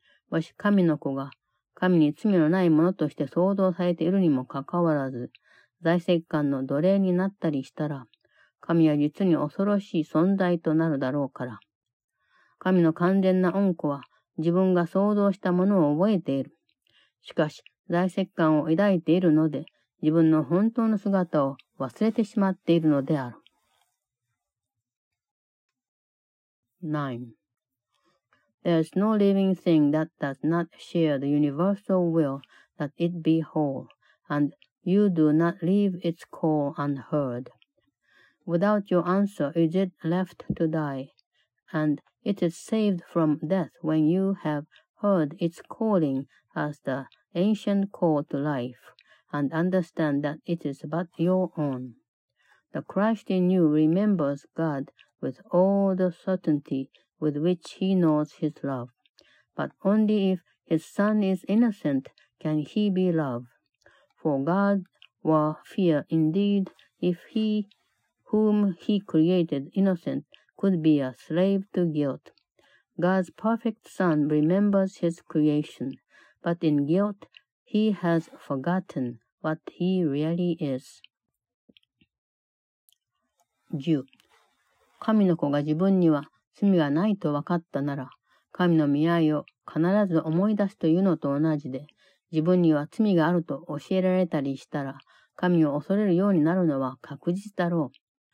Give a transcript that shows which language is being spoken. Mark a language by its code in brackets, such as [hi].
[ja] もし神の子が神に罪のないものとして創造されているにもかかわらず、罪責感の奴隷になったりしたら、神は実に恐ろしい存在となるだろうから。神の完全な恩子は自分が創造したものを覚えている。しかし、罪責感を抱いているので、自分の本当の姿を忘れてしまっているのである。 [en] 9. There's no living thing that does not share the universal will that it be whole, and you do not leave its call unheard. Without your answer is it left to die, and it is saved from death when you have heard its calling as the ancient call to life, and understand that it is but your own. The Christ in you remembers God with all the certainty. With which he knows his love. But only if his son is innocent can he be love. For God were fear indeed if he whom he created innocent could be a slave to guilt. God's perfect son remembers his creation, but in guilt he has forgotten what he really is. [ja] 10. 神の子が自分には罪がないと分かったなら、神の見合いを必ず思い出すというのと同じで、自分には罪があると教えられたりしたら、神を恐れるようになるのは確実だろう。